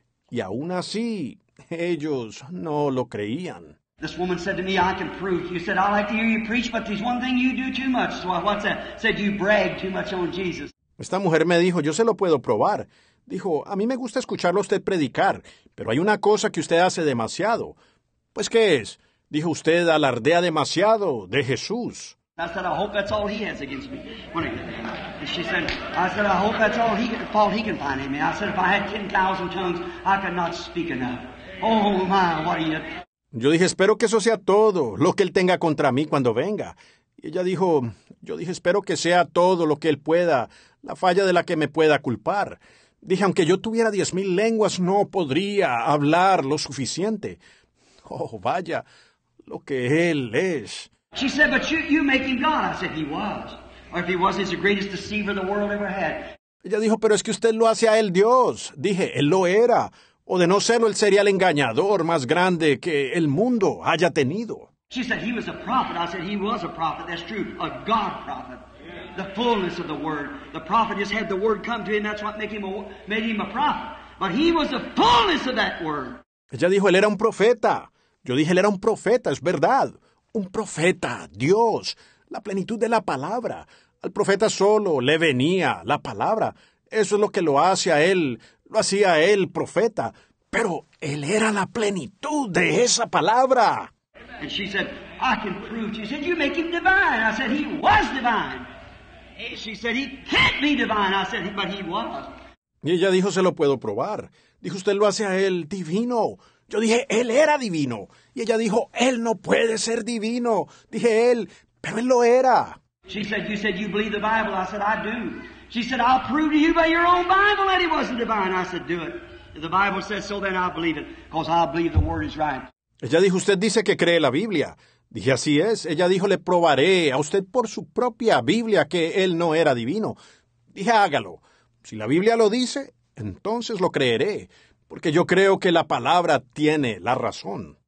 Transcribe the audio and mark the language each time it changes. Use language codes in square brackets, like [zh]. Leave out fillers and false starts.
[es] Y aún así, ellos no lo creían. [en] This woman said to me, I can prove. You said, I like to hear you preach, but there's one thing you do too much. So what's that? Said you brag too much on Jesus. [es] Esta mujer me dijo, yo se lo puedo probar. Dijo, a mí me gusta escucharlo a usted predicar, pero hay una cosa que usted hace demasiado. Pues, ¿qué es? Dijo, usted alardea demasiado de Jesús. [en] I said, I hope that's all he has against me. And she said, I said, I hope that's all he can, fault he can find in me. I said, if I had 10,000 tongues, I could not speak enough. Oh, my, what are you... [es] Yo dije, espero que eso sea todo lo que él tenga contra mí cuando venga. Y ella dijo, yo dije, espero que sea todo lo que él pueda, la falla de la que me pueda culpar. Dije, aunque yo tuviera 10,000 lenguas, no podría hablar lo suficiente. Oh, vaya, lo que él es. [en] She said, but you make him God. I said, he was. Or if he was, he's the greatest deceiver the world ever had. [es] Ella dijo, pero es que usted lo hace a él Dios. Dije, él lo era. O de no serlo, él sería el engañador más grande que el mundo haya tenido. [en] She said, he was a prophet. I said, he was a prophet. That's true. A God prophet. The fullness of the word. The prophet just had the word come to him. That's what made him a prophet. But he was the fullness of that word. [es] Ella dijo, él era un profeta. Yo dije, él era un profeta. Es verdad. Un profeta. Dios. La plenitud de la palabra. Al profeta solo le venía la palabra. Eso es lo que lo hace a él. Lo hacía él, profeta. Pero él era la plenitud de esa palabra. [en] And she said, I can prove to you. She said, you make him divine. I said, he was divine. She said, he can't be divine. I said, but he was. [es] Y ella dijo, se lo puedo probar. Dijo, usted lo hace a él divino. Yo dije, él era divino. Y ella dijo, él no puede ser divino. Dije, él, pero él lo era. [en] She said, you believe the Bible. I said, I do. She said, I'll prove to you by your own Bible that he wasn't divine. I said, do it. If the Bible says so, then I believe it. Because I believe the word is right. [es] Ella dijo, usted dice que cree la Biblia. Dije, así es. Ella dijo, le probaré a usted por su propia Biblia que él no era divino. Dije, hágalo. Si la Biblia lo dice, entonces lo creeré. Porque yo creo que la palabra tiene la razón.